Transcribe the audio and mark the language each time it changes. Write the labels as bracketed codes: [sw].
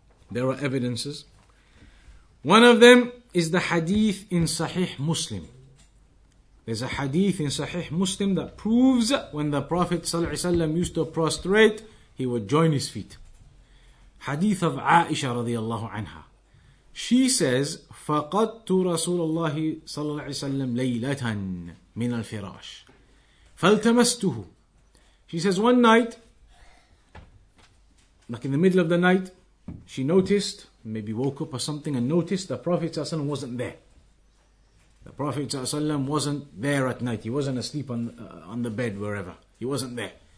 [en] There are evidences. One of them is the hadith in Sahih Muslim. There's a hadith in Sahih Muslim that proves when the Prophet ﷺ used to prostrate, he would join his feet. Hadith of Aisha radiallahu anha. She says, [ar] فَقَدْتُ رَسُولَ اللَّهِ صَلَى اللَّهِ عَلَيْهِ وَسَلَّمَ لَيْلَةً مِنَ الْفِرَاشِ فَالْتَمَسْتُهُ. [en] She says, one night, like in the middle of the night, she noticed, maybe woke up or something, and noticed the Prophet ﷺ wasn't there. The Prophet ﷺ wasn't there at night. He wasn't asleep on the bed, wherever. He wasn't there.